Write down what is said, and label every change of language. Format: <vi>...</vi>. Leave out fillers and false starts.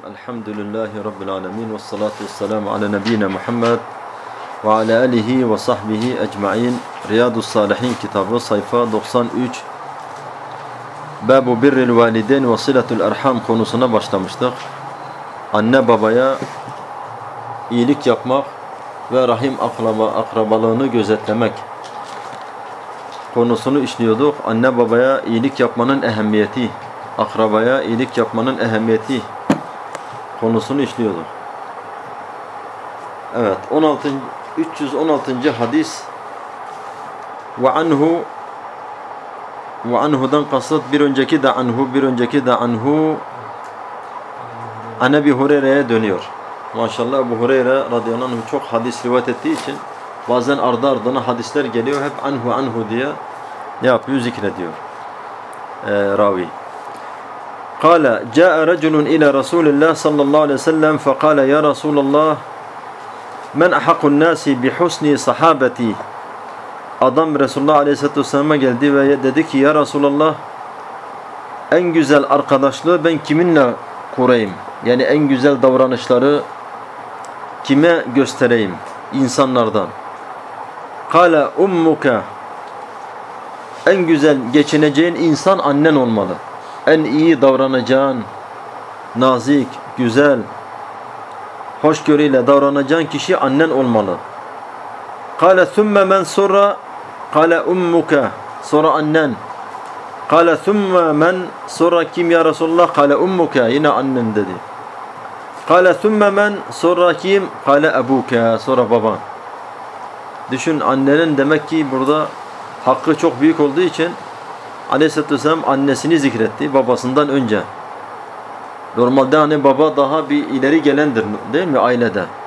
<ar>الحمد لله رب العالمين والصلاة والسلام على نبينا محمد وعلى آله وصحبه أجمعين. رياض الصالحين كتاب صيفة 93 باب بر الوالدين وصلة الأرحام</ar> <tr>konusuna başlamıştık. Anne babaya iyilik yapmak ve rahim akrabalığını gözetlemek konusunu işliyorduk. Anne babaya iyilik yapmanın ehemmiyeti, akrabaya iyilik yapmanın ehemmiyeti konusunu işliyorduk. Evet, 316. hadis. Ve anhu'dan kasıt, bir önceki de anhu an Ebi Hureyre'ye dönüyor. Maşallah Ebu Hureyre radıyallahu anh'ın çok hadis rivayet ettiği için bazen ardı ardına hadisler geliyor. Hep anhu diye ne yapıyor? Zikrediyor. Ravi.</tr> <ar>قال جاء رجل إلى رسول الله صلى الله عليه وسلم فقال يا رسول الله من أحق الناس بحسن صحابتي.</ar> <tr>Adam Resulullah Aleyhisselatü Vesselam'a geldi ve dedi ki ya Resulullah, en güzel arkadaşlığı ben kiminle kurayım? Yani en güzel davranışları kime göstereyim insanlardan?</tr> <ar>Kale ummuke,</ar> <tr>en güzel geçineceğin insan annen olmalı. En iyi davranacağın, nazik, güzel, hoşgörüyle davranacağın kişi annen olmalı.</tr> <ar>Kale thumme men,</ar> <tr>sonra</tr> <ar>قال أمك,</ar> <tr>sonra annen.</tr> <ar>قال ثم من,</ar> <tr>sonra kim ya Resulullah?</tr> <ar>قال أمك,</ar> <tr>yine annen dedi.</tr> <ar>قال ثم من,</ar> <tr>sonra kim?</tr> <ar>قال أبوك,</ar> <tr>sonra baban. Düşün, annenin demek ki burada hakkı çok büyük olduğu için Aleyhisselatü Vesselam annesini zikretti babasından önce. Normalde hani baba daha bir ileri gelendir değil mi ailede?</tr>